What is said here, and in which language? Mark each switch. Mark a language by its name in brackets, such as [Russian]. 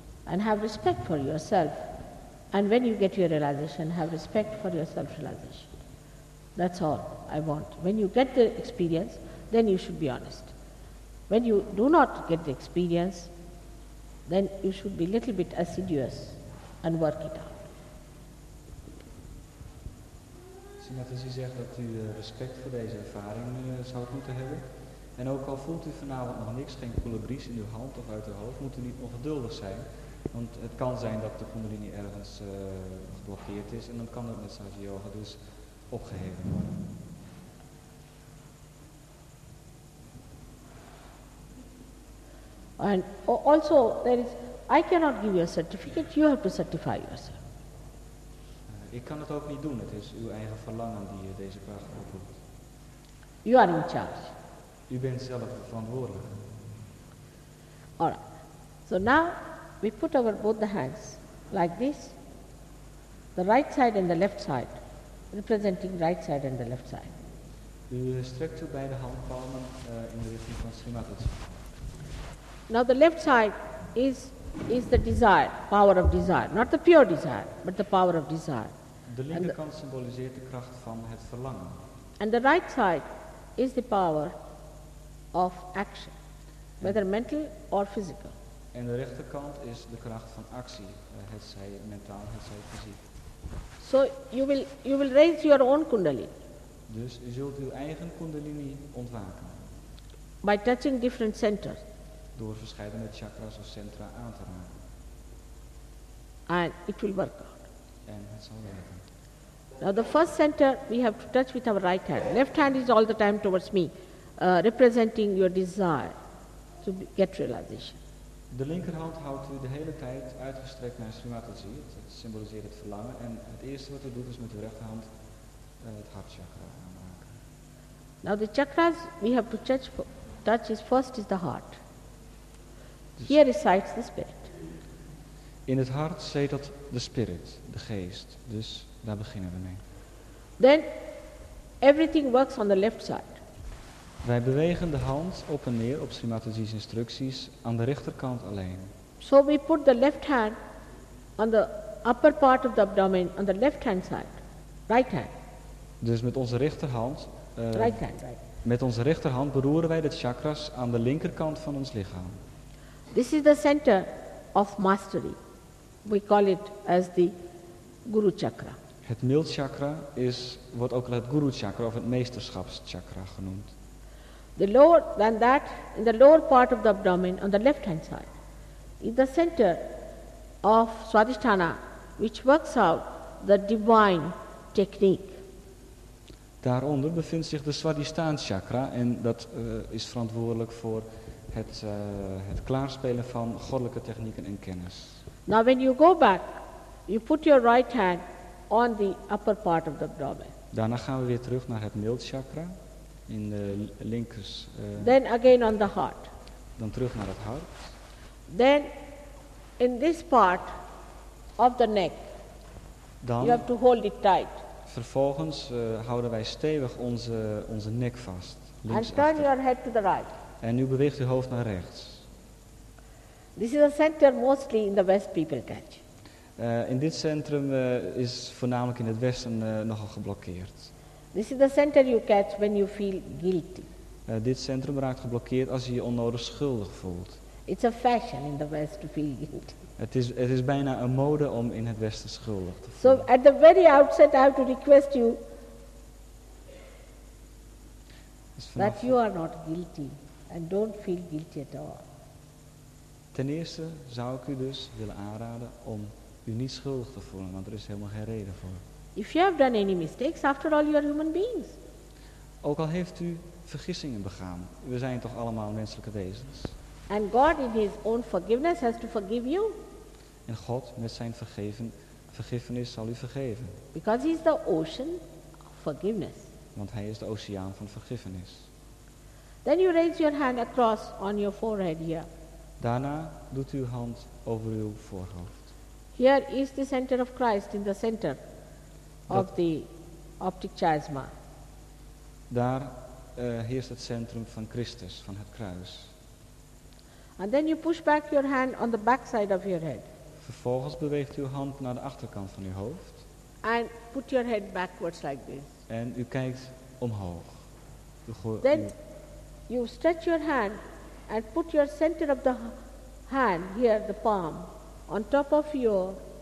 [English] And have respect for yourself, and when you get your realization, have respect for your self-realization. That's all I want. When you get the experience, then you should be honest. When you do not get the experience, then you should be a little bit assiduous and work it out. [Dutch] Srimati, u zegt dat u respect voor deze ervaring zou moeten hebben. En ook al voelt u vanavond nog niks, geen koele bries in uw hand of uit uw hoofd, moet u niet ongeduldig zijn. Want het kan zijn dat de kundalini ergens geblokkeerd is en dan kan het met Sahaja Yoga dus opgeheven worden. [English] And also there is, I cannot give you a certificate, you have to certify yourself. [Dutch] Ik kan het ook niet doen, het is uw eigen verlangen die deze vraag oproept. [English] You are in charge. [Dutch] U bent zelf verantwoordelijk. [English] Alright, so now we put our both the hands like this, the right side and the left side, representing right side and the left side. [Dutch] U strekt uw beide handpalmen in de richting van Srimati. [English] Now the left side is the desire, power of desire, not the pure desire, but the power of desire. [Dutch] De linkerkant symboliseert de kracht van het verlangen. [English] And the right side is the power of action, whether mental or physical. [Dutch] En de rechterkant is de kracht van actie, het zij mentaal, het zij fysiek. [English] So you will raise your own kundalini. [Dutch] Dus u zult uw eigen kundalini ontwaken. [English] By touching different centers. [Dutch] Door verschillende chakras of centra aan te raken. [English] And it will work out. [Dutch] En het zal werken. [English] Now the first center we have to touch with our right hand. Left hand is all the time towards me, representing your desire. to get realization. [Dutch] De linkerhand houdt u de hele tijd uitgestrekt naar Shri Mataji. Het symboliseert het verlangen. En het eerste wat u doet is met uw rechterhand het hartchakra aanraken. [English] Now the chakras we have to touch is first is the heart. Dus here resides the spirit. [Dutch] In het hart zetelt de spirit, de geest. Dus daar beginnen we mee. [English] Then everything works on the left side. [Dutch] Wij bewegen de hand op en neer op Shri Mataji's instructies aan de rechterkant alleen. [English] So we put the left hand on the upper part of the abdomen on the left hand side, right hand. [Dutch] Dus met onze rechterhand. [English] Right hand, right. [Dutch] Met onze rechterhand beroeren wij de chakras aan de linkerkant van ons lichaam. [English] This is the center of mastery. We call it as the Guru chakra. [Dutch] Het mildchakra wordt ook wel het Guru chakra of het meesterschapschakra genoemd. [English] The lower than that, in the lower part of the abdomen, on the left-hand side, is the center of Swadhisthana, which works out the divine technique. [Dutch] Daaronder bevindt zich de Swadhisthana chakra, en dat is verantwoordelijk voor het klaarspelen van goddelijke technieken en kennis. [English] Now, when you go back, you put your right hand on the upper part of the abdomen. [Dutch] Daarna gaan we weer terug naar het mildchakra. In de linkers. [English] Then again on the heart. [Dutch] Dan terug naar het hart. [English] Then in this part of the neck. [Dutch] Dan [English] you have to hold it tight. [Dutch] Vervolgens houden wij stevig onze nek vast. [English] And turn your head to the right. [Dutch] En nu beweegt uw hoofd naar rechts. [English] This is a center mostly in the West people catch. [Dutch] In dit centrum is voornamelijk in het Westen nogal geblokkeerd. [English] This is the center you catch when you feel guilty. [Dutch] Dit centrum raakt geblokkeerd als je je onnodig schuldig voelt. [English] It's a fashion in the West to feel guilty. [Dutch] Het is bijna een mode om in het Westen schuldig te voelen. [English] So at the very outset I have to request you that you are not guilty and don't feel guilty at all. [Dutch] Ten eerste zou ik u dus willen aanraden om u niet schuldig te voelen, want er is helemaal geen reden voor. [English] If you have done any mistakes, after all, you are human beings. [Dutch] Ook al heeft u vergissingen begaan, we zijn toch allemaal menselijke wezens. [English] And God, in His own forgiveness, has to forgive you. [Dutch] En God, met zijn vergiffenis, zal u vergeven. [English] Because He is the ocean of forgiveness. [Dutch] Want Hij is de oceaan van vergiffenis. [English] Then you raise your hand across on your forehead here. [Dutch] Daarna doet u uw hand over uw voorhoofd. [English] Here is the center of Christ in the center. Of the optic chiasma. [Dutch] Daar heerst het centrum van Christus, van het kruis. [English] And then you push back your hand on the back side of your head. [Dutch] Vervolgens beweegt uw hand naar de achterkant van uw hoofd. [English] And put your head backwards like this. [Dutch] En u kijkt omhoog. [English] Then you stretch your hand and put your center of the hand here, the palm, on top of your.